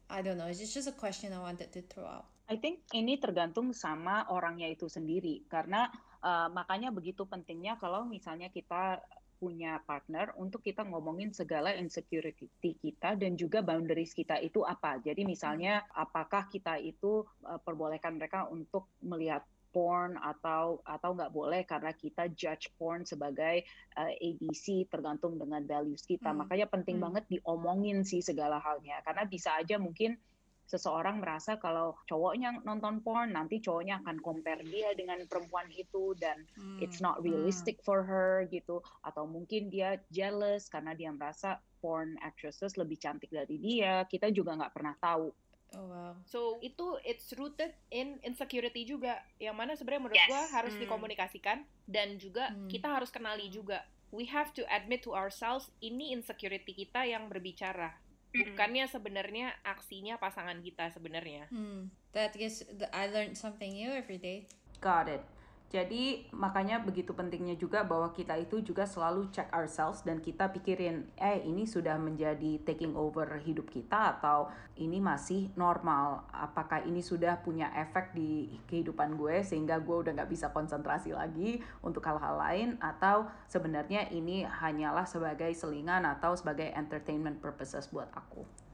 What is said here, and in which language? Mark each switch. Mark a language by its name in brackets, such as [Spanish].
[English] I don't know, it's just a question I wanted to throw out. [Indonesian] I think ini tergantung sama orangnya itu sendiri, karena makanya begitu pentingnya kalau misalnya kita punya partner untuk kita ngomongin segala insecurity kita dan juga boundaries kita itu apa. Jadi misalnya apakah kita itu perbolehkan mereka untuk melihat porn atau nggak boleh karena kita judge porn sebagai ABC tergantung dengan values kita. Makanya penting banget diomongin sih segala halnya, karena bisa aja mungkin seseorang merasa kalau cowoknya nonton porn nanti cowoknya akan compare dia dengan perempuan itu dan [English] it's not realistic for her [Indonesian] gitu, atau mungkin dia jealous karena dia merasa porn actresses lebih cantik dari dia. Kita juga nggak pernah tahu. Oh, wow. So itu [English] it's rooted in insecurity [Indonesian] juga, yang mana sebenarnya menurut gue harus dikomunikasikan, dan juga kita harus kenali juga, [English] we have to admit to ourselves [Indonesian] ini insecurity kita yang berbicara, bukannya sebenarnya aksinya pasangan kita sebenarnya. [English] That is the, I learned something new every day. Got it. [Indonesian] Jadi makanya begitu pentingnya juga bahwa kita itu juga selalu [English] check ourselves [Indonesian] dan kita pikirin, eh ini sudah menjadi [English] taking over [Indonesian] hidup kita atau ini masih normal? Apakah ini sudah punya efek di kehidupan gue sehingga gue udah gak bisa konsentrasi lagi untuk hal-hal lain, atau sebenarnya ini hanyalah sebagai selingan atau sebagai [English] entertainment purposes [Indonesian] buat aku?